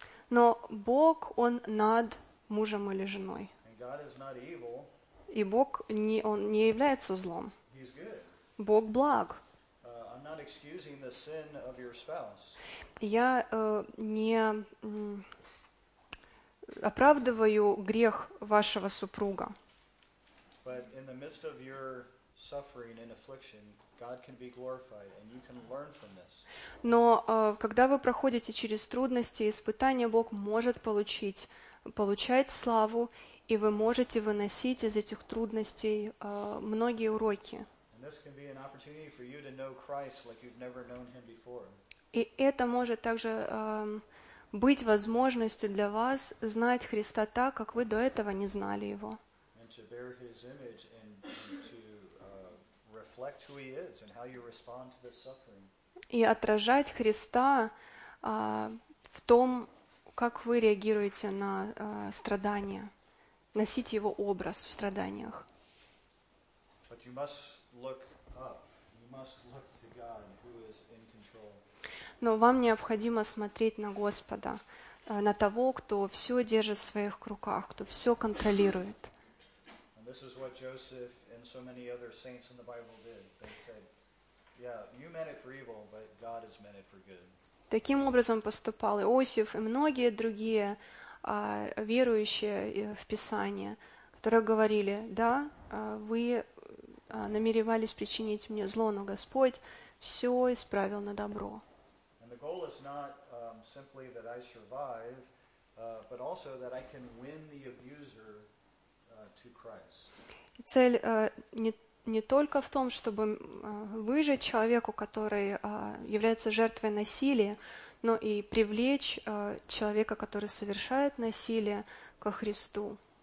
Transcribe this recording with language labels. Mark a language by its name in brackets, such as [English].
[Russian] Но Бог, Он над мужем или женой. [English] And God is not evil. [Russian] И Бог не, Он не является злом. [English] He's good. [Russian] Бог благ. [English] I'm not excusing the sin of your spouse. [Russian] Я не оправдываю грех вашего супруга. [English] But in the midst of your suffering and affliction, God can be glorified, and you can learn from this. [Russian] Но когда вы проходите через трудности и испытания, Бог может получать славу, и вы можете выносить из этих трудностей многие уроки. [English] And this can be an opportunity for you to know Christ like you've never known him before. [Russian] И это может также быть возможностью для вас знать Христа так, как вы до этого не знали Его. [English] And to bear his image and to reflect who he is and how you respond to this suffering. [Russian] И отражать Христа в том, как вы реагируете на страдания, носить Его образ в страданиях. [English] But you must look up. You must look to God who is in control. [Russian] Но вам необходимо смотреть на Господа, на того, кто все держит в своих руках, кто все контролирует. [English] And this is what Joseph and so many other saints in the Bible did. They said, yeah, you meant it for evil, but God has meant it for good. [Russian] Таким образом поступал Иосиф и многие другие верующие в Писание, которые говорили, да, вы намеревались причинить мне зло, но Господь все исправил на добро. [English] And the goal is not simply that I survive, but also that I can win the abuser to Christ. [Russian] Цель не только в том, чтобы выжить человеку, который является жертвой насилия, но и привлечь человека, который совершает насилие, ко Христу.